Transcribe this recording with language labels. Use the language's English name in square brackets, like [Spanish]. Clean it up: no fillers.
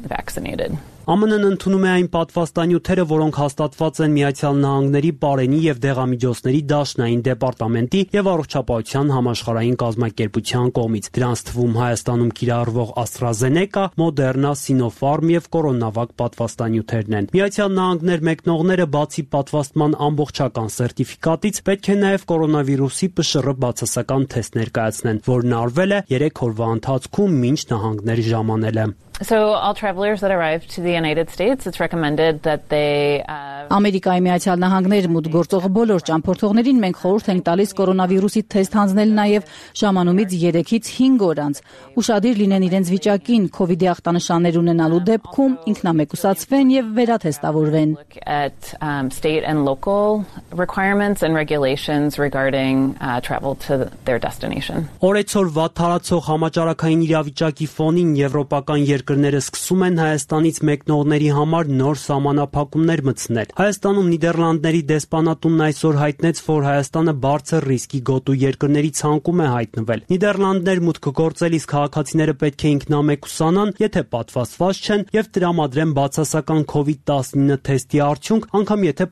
[Armenian] ԱՄՆ-ն ընդունում է այն պատվաստանյութերը, որոնք հաստատված են Միացյալ Նահանգների Բարենի և Դեղամիջոցների Դաշնային Դեպարտամենտի և Առողջապահության Համաշխարհային Կազմակերպության կողմից, դրանց թվում Հայաստանում կիրառվող AstraZeneca, Moderna, Sinopharm և CoronaVac պատվաստանյութերն են։ Միացյալ Նահանգներ մեկնողները բացի պատվաստման ամբողջական սերտիֆիկատից պետք է նաև կորոնավիրուսի ՊՇՌ բացասական թեստ ներկայացնեն, որն արվել է 3 օրվա ընթացքում մինչ նահանգներ ժամանելը։ [English] So all travelers that arrive to the United States, it's recommended that they [Armenian] Ամերիկայի Միացյալ Նահանգներ մուտք գործող բոլոր ճամփորդողներին մենք խորհուրդ ենք տալիս կորոնավիրուսի թեստ հանձնել նաև ժամանումից 3-ից 5 օր անց։ Ուշադիր լինեն իրենց վիճակին, COVID-ի ախտանշաններ ունենալու դեպքում ինքնամեկուսացվեն եւ վերաթեստավորվեն։ [English] State and local requirements and regulations regarding travel to their destination. [Armenian] Օրեցօր վատթարացող համաճարակային իրավիճակի ֆոնին եվրոպական երկրները սկսում են Հայաստանից մեկնողների համար նոր սահմանափակումներ մտցնել։ Հայաստանում Նիդերլանդների դեսպանատունն այսօր հայտնեց, որ Հայաստանը բարձր ռիսկի գոտու երկրների ցանկում է հայտնվել։ Նիդերլանդներ մուտքը գործելիս քաղաքացիները պետք է ինքնամեկուսանան, եթե պատվաստված չեն, և տրամադրեն բացասական COVID-19 թեստի արդյունք, անգամ եթե